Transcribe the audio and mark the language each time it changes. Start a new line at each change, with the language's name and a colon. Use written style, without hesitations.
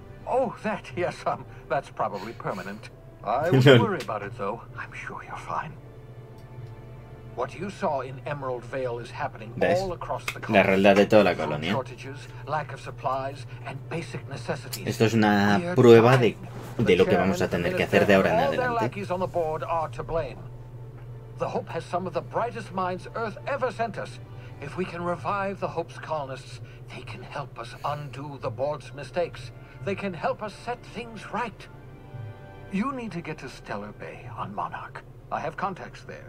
English: Oh, that, yes, that's probably permanent. I wouldn't worry about it, though. I'm sure you're fine. What you saw in Emerald Vale is happening all across the colony.
Spanish: La realidad de toda la colonia.
English: Shortages, lack of supplies, and basic necessities.
Spanish: Esto es una prueba de lo que vamos a tener que hacer de ahora en adelante.
English: All their lackeys on the board are to blame. The Hope has some of the brightest minds Earth ever sent us. If we can revive the Hope's colonists, they can help us undo the board's mistakes. They can help us set things right. You need to get to Stellar Bay on Monarch. I have contacts there.